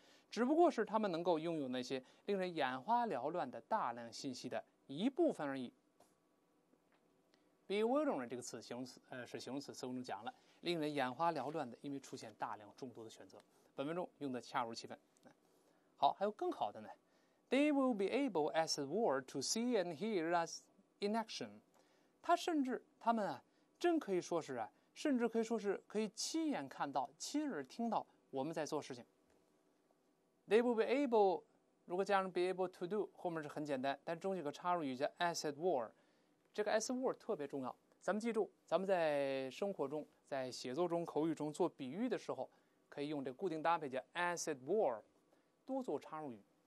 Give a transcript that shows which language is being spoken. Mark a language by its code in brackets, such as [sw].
[zh] 只不过是他们能够拥有那些令人眼花缭乱的大量信息的一部分而已。 Bewildering 这个词形容词，是形容词，词中讲了。令人眼花缭乱的，因为出现大量众多的选择。本文中用的恰如其分。好，还有更好的呢。 [en] They will be able, as it were, to see and hear us in action. [zh] 他们真可以说是啊，甚至可以说是可以亲眼看到、亲耳听到我们在做事情。 [en] They will be able, [zh] 如果加上 [en] be able to do, [zh] 后面是很简单，但中间有个插入语叫 [en] as it were。 [zh] 这个 [en] as it were [zh] 特别重要。咱们记住，咱们在生活中、在写作中、口语中做比喻的时候，可以用这固定搭配叫 [en] as it were， [zh] 多做插入语。